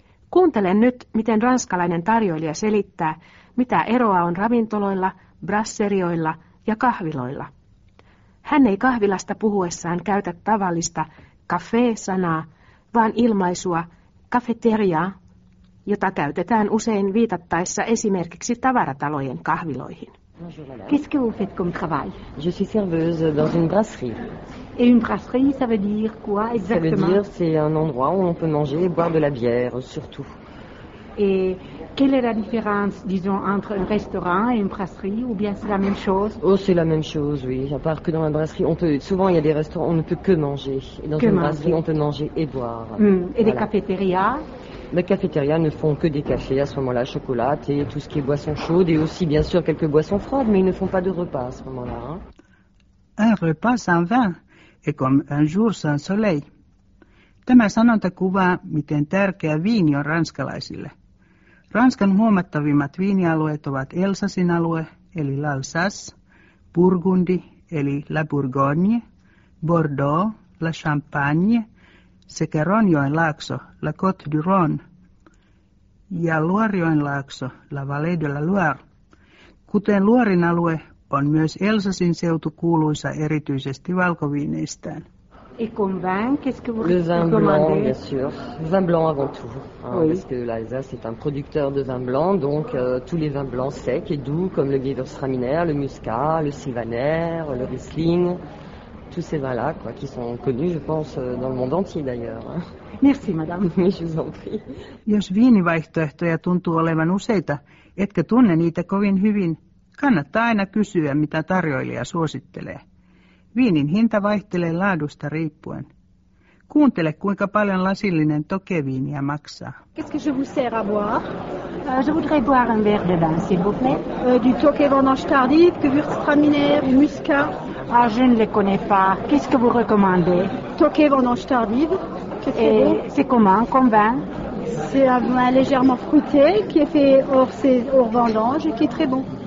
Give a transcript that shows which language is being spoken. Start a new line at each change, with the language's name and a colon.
Finnish: Kuuntelen nyt, miten ranskalainen tarjoilija selittää, mitä eroa on ravintoloilla, brasserioilla ja kahviloilla. Hän ei kahvilasta puhuessaan käytä tavallista café-sanaa, vaan ilmaisua cafeteria, jota käytetään usein viitattaessa esimerkiksi tavaratalojen kahviloihin.
French: Qu'est-ce que vous faites comme travail? Je suis serveuse dans une brasserie. Et une brasserie, ça veut dire quoi exactement? Ça veut dire c'est un endroit où on peut manger et boire de la bière, surtout. Et quelle est la différence, disons, entre un restaurant et une brasserie, ou bien c'est la même chose? Oh, c'est la même chose, oui. À part que dans la brasserie, on peut souvent il y a des restaurants, on ne peut que manger. Et dans que une manger. Brasserie, on peut manger et boire. Mmh. Et voilà. Des cafétérias? Les cafétérias ne font que des cafés à ce moment-là, chocolat et tout ce qui est boisson chaude et aussi bien sûr quelques boissons froides, mais ils ne font pas de repas à ce moment-là. Hein. Un repas sans vin est comme un jour sans soleil.
Finnish: Tämä sanonta kuvaa, miten tärkeä viini on ranskalaisille. Ranskan huomattavimmat viinialueet ovat Elsassin alue, eli l'Alsace, Burgundi, eli la Bourgogne, Bordeaux, la Champagne, sekä Ronjoen laakso, la Côte du Rhône, ja Loirejoen laakso, la Vallée de la Loire. Kuten Loiren alue, on myös Elsassin seutu kuuluisa erityisesti valkoviineistään.
French: Et comme vin, qu'est-ce que vous le vin blanc, bien sûr. Vin blanc avant tout. Hein, oui. Parce que l'Alsace est un producteur de vin blanc, donc tous les vins blancs secs et doux, comme le Gewürztraminer, le Muscat, le Sylvaner, le Riesling, tous ces vins-là, quoi, qui sont connus, je pense, dans le monde entier d'ailleurs. Hein. Merci, madame. Je vous en prie.
Finnish: Jos viinivaihtoehtoja tuntuu olevan useita, etkä tunne niitä kovin hyvin, kannattaa aina kysyä, mitä tarjoilija suosittelee. Viinin hinta vaihtelee laadusta riippuen. Kuuntele, kuinka paljon lasillinen tokeviiniä maksaa.
French: Qu'est-ce que je vous sers à boire? Je voudrais boire un verre de vin, s'il vous plaît. Du toke vendange tardif, du Gewürztraminer, du muscat. Ah, je ne les connais pas. Qu'est-ce que vous recommandez? Toke vendange tardif. Et c'est comment, comme vin? C'est un vin légèrement fruité qui est fait hors vendange et qui est très bon.